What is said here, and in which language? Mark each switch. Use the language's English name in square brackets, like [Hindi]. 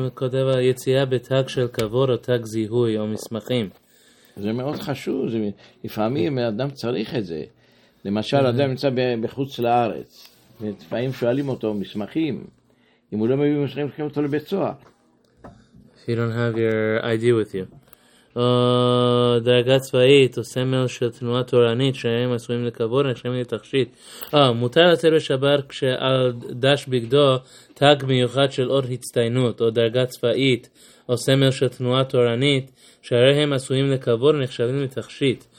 [Hebrew] הוא כותב על יציאה בתג של כבוד או תג זיהוי או מסמכים. זה מאוד חשוב. לפעמים אדם צריך את זה. למשל, אדם נמצא בחוץ לארץ, ולפעמים שואלים אותו מסמכים. אם הוא לא מביא מסמכים, תקבל אותו לבית סוהר. [English] If you don't have your ID with you. [Hebrew] או דרגה צבאית, או סמל של תנועה תורנית, שהם עשויים לכבוד, נחשבים לתכשיט. מותר לצאת בשבת כשעל דש בגדו תג מיוחד של אור הצטיינות, או דרגה צבאית, או סמל של תנועה תורנית, שהרי הם עשויים לכבוד, נחשבים לתכשיט.